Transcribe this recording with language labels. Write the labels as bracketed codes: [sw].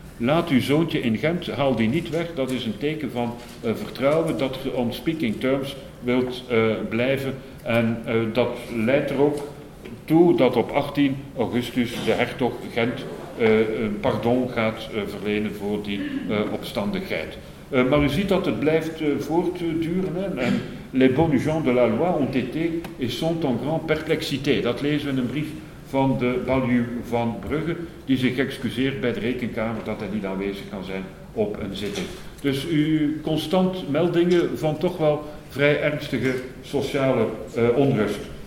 [nl] Laat uw zoontje in Gent, haal die niet weg. Dat is een teken van vertrouwen dat je [en] on speaking terms [nl] wilt blijven. En dat leidt er ook toe dat op 18 augustus de hertog Gent een pardon gaat verlenen voor die opstandigheid. Maar u ziet dat het blijft voortduren. [fr] En les bonnes gens de la loi ont été et sont en grande perplexité. [nl] Dat lezen we in een brief van de baljuw van Brugge, die zich excuseert bij de rekenkamer dat hij niet aanwezig kan zijn op een zitting. Dus u constant meldingen van toch wel vrij ernstige sociale onrust.